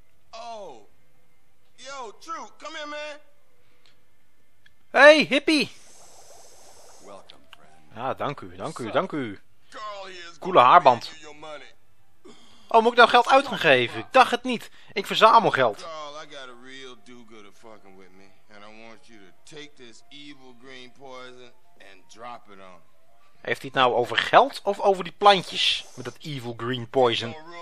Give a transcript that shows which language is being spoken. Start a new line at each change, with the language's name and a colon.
English: Oh. Yo, True, come here, man. Hey, hippie. Welcome, friend. Ah,
Dutch: dank u. Coole haarband. Oh, moet ik nou geld uit gaan geven? Ik dacht het niet. Ik verzamel geld.
English: Carl, I got a real do-gooder fucking with me. And I want you to take this evil green poison and drop it on.
Dutch: Heeft hij het nou over geld of over die plantjes? Met dat
English: evil green poison.